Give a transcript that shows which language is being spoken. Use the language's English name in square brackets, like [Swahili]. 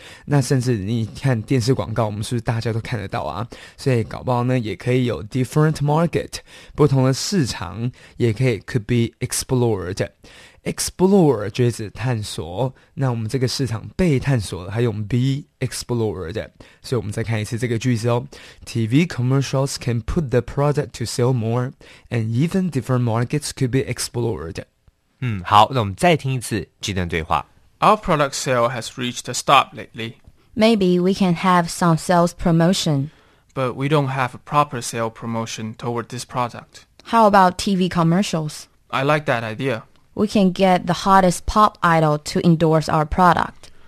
[Chinese] 那甚至你看电视广告，我们是不是大家都看得到啊？所以搞不好呢，也可以有 [English] different market， [Chinese] 不同的市场，也可以 [English] could be explored. [Chinese] Explore 就是探索，那我们这个市场被探索了，还用 [English] be explored. [Chinese] 所以我们再看一次这个句子哦。 [English] TV commercials can put the product to sell more, and even different markets could be explored. [Chinese] 好，那我们再听一次这段对话。 [English] Our product sale has reached a stop lately. Maybe we can have some sales promotion. But we don't have a proper sale promotion toward this product. How about TV commercials? I like that idea. We can get the hottest pop idol to endorse our product.